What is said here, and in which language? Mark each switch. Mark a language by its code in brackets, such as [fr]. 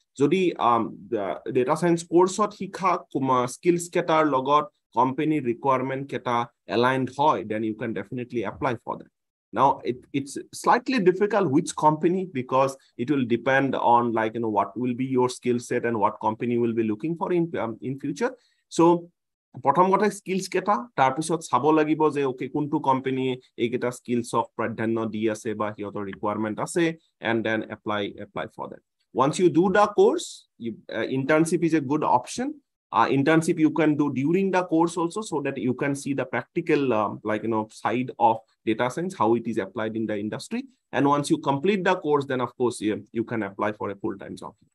[as] যদি data science কোৰ্চত শিকা skills কেইটাৰ লগত কম্পেনীৰ ৰিকুৱাৰমেণ্ট কেইটা এলাইনড হয়, [en] Then you can definitely apply for that. Now, it's slightly difficult which company, because it will depend on like, you know, what will be your skill set and what company will be looking for in future. So, [as] প্ৰথম কথা skills কেটা তাৰপিছত চাব লাগিব যে okay কোনটো কোম্পানীয়ে এইকেইটা স্কিলছক প্ৰাধান্য দি আছে বা সিহঁতৰ ৰিকুৱাৰমেণ্ট আছে [en] and then apply for that once you do the course internship is a good option internship you can do during the course also' so' that you can see the practical like you know' side of data science how it is applied in the industry and once you complete the course then of course you can apply for a full time job